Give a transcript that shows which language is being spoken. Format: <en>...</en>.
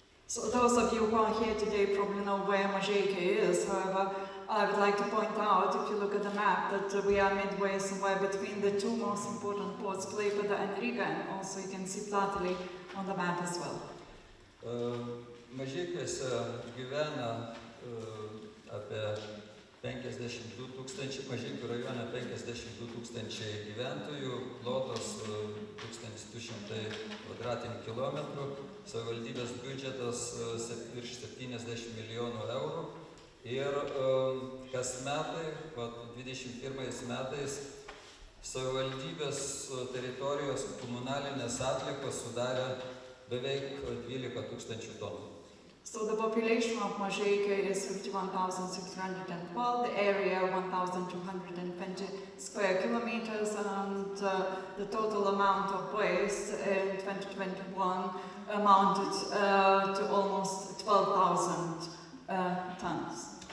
<en>So those of you who are here today probably know where Mažeikiai is. However, I would like to point out, if you look at the map, that we are midway somewhere between the two most important ports, Klaipėda and Riga, and also you can see Platelė on the map as well.</en> <lt>Mažeikiuose gyvena apie 52 tūkstančiai, Mažeikių rajone 52 tūkstančiai gyventojų, plotas 1200 kvadratinių kilometrų, savivaldybės biudžetas virš 70 milijonų eurų. Ir kas metai, 21 metais, savivaldybės teritorijos komunalinės atliekos sudarė beveik 12 tūkstančių tonų.</lt> <en>So the population of Mažeikiai is 51,612, the area 1,220 square kilometers, and the total amount of waste in 2021 amounted to almost 12,000 tons.</en>